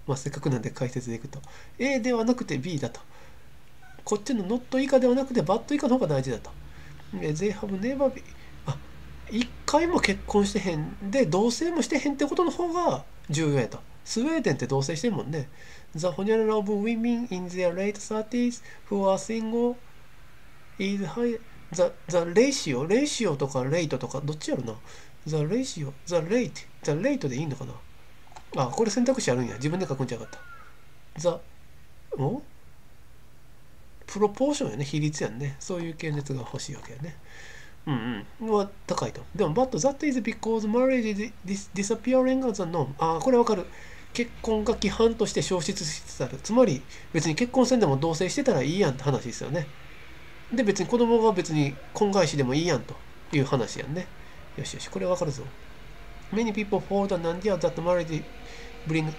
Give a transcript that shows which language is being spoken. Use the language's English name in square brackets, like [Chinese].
[Japanese] まあ、せっかくなんで解説でいくと。A ではなくて B だと。こっちのノット以下ではなくてバット以下の方が大事だと。 [English] They have never been。 [Japanese] あ、一回も結婚してへんで、同棲もしてへんってことの方が重要やと。スウェーデンって同棲してるもんね。 [English] The ほにゃらら of women in their late 30s who are single is high。 The ratio、 [Japanese] レイシオとかレイトとかどっちやろな。 [English] The ratio、the rate、the rate [Japanese] でいいのかな。あ、これ選択肢あるんや。自分で書くんじゃなかった。プロポーションやね。比率やね。そういう系列が欲しいわけやね。は高いと。 [English] でも、but that is because marriage is disappearing as a norm。 [Japanese] あ、これわかる。結婚が規範として消失しつつある。つまり、別に結婚せんでも同棲してたらいいやんって話ですよね。で、別に子供が別に婚外子でもいいやんという話やんね。よしよし、これわかるぞ。 [English] Many people hold an idea that marriage brings。